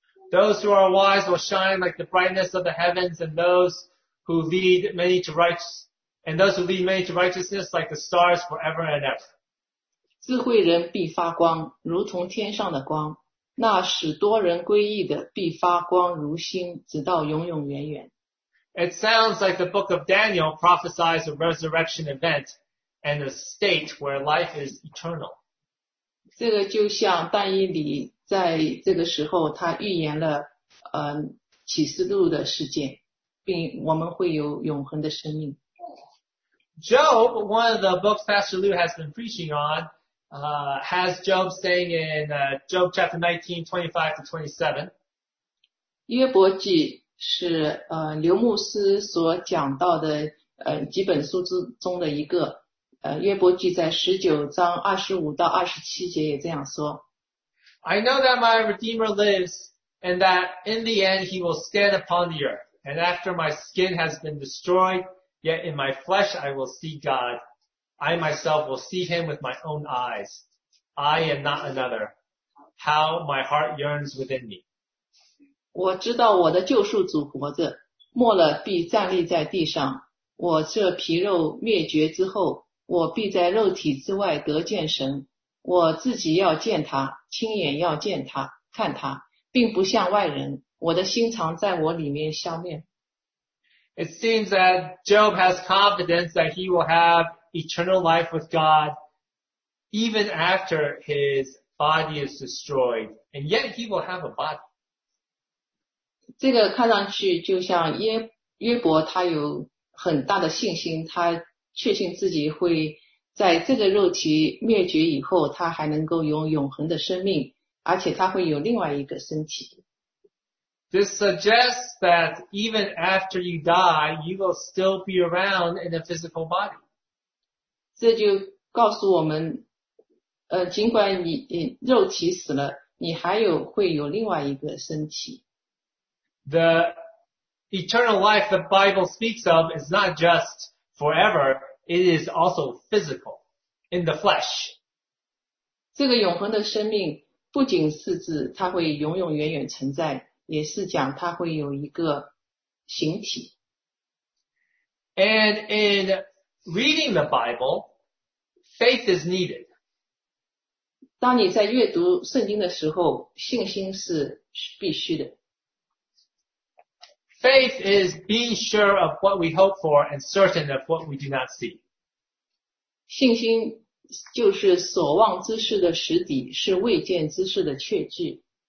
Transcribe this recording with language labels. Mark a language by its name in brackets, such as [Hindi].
[English] Those who are wise will shine like the brightness of the heavens, and those who lead many to righteousness like the stars forever and ever. [Chinese] 智慧人必发光，如同天上的光。那使多人归义的必发光如星，直到永永远远。 [English] It sounds like the book of Daniel prophesies a resurrection event. And a state where life is eternal. [Chinese] 这个就像但以理在这个时候他预言了启示录的事件，并我们会有永恒的生命。 [English] Job, one of the books Pastor Liu has been preaching on, has Job saying in Job chapter 19, 25-27. [Chinese] 约伯记是刘牧师所讲到的几本书之中的一个。约伯记在19章25到27节也这样说。 [English] I know that my Redeemer lives, and that in the end he will stand upon the earth. And after my skin has been destroyed, yet in my flesh I will see God. I myself will see him with my own eyes. I am not another. How my heart yearns within me. [Chinese] 我知道我的救赎主活着，末了必站立在地上。我这皮肉灭绝之后，我必在肉体之外得见神，我自己要见他，亲眼要见他，看他，并不像外人。我的心肠在我里面消灭。 [English] It seems that Job has confidence that he will have eternal life with God, even after his body is destroyed, and yet he will have a body. [Chinese] 这个看上去就像约伯，他有很大的信心，他。确信自己会在这个肉体灭绝以后，他还能够有永恒的生命，而且他会有另外一个身体。 [English] This suggests that even after you die, you will still be around in a physical body. [Chinese] 这就告诉我们，尽管你肉体死了，你还有会有另外一个身体。 [English] The eternal life the Bible speaks of is not justForever, it is also physical, in the flesh. [Chinese] 这个永恒的生命不仅是指它会永永远远存在，也是讲它会有一个形体。 [English] And in reading the Bible, faith is needed. [Chinese] 当你在阅读圣经的时候，信心是必须的。 [English] Faith is being sure of what we hope for and certain of what we do not see. [Chinese] 信心就是所望之事的实底，是未见之事的确据。